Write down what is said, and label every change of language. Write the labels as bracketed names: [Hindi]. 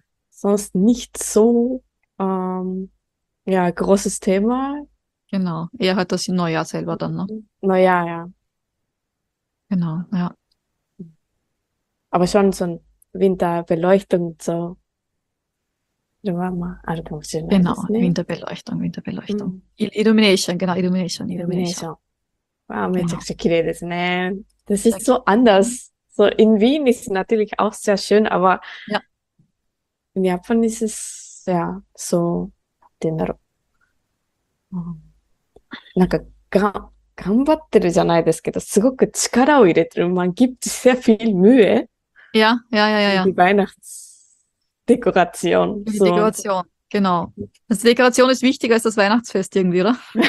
[German] Sonst nicht so ja, großes Thema. Genau, eher halt das Neujahr selber dann, ne? Neujahr, ja. Genau, ja. Aber schon so ein Winterbeleuchtung und so. Da war mal Arbungsschön. Genau, ne? Winterbeleuchtung. Illumination, genau, Illumination. [Japanese] Wow, めちゃくちゃ綺麗ですね. [German] Das ist so anders. So in Wien ist natürlich auch sehr schön, aber ja. In Japan ist es ja so den [Japanese] なんか頑張ってるじゃないですけど、すごく力を入れてる. [German] Man gibt sehr viel Mühe. Ja. Die Weihnachtsdekoration. Die so. Dekoration, genau. Also Dekoration ist wichtiger als das Weihnachtsfest irgendwie, oder?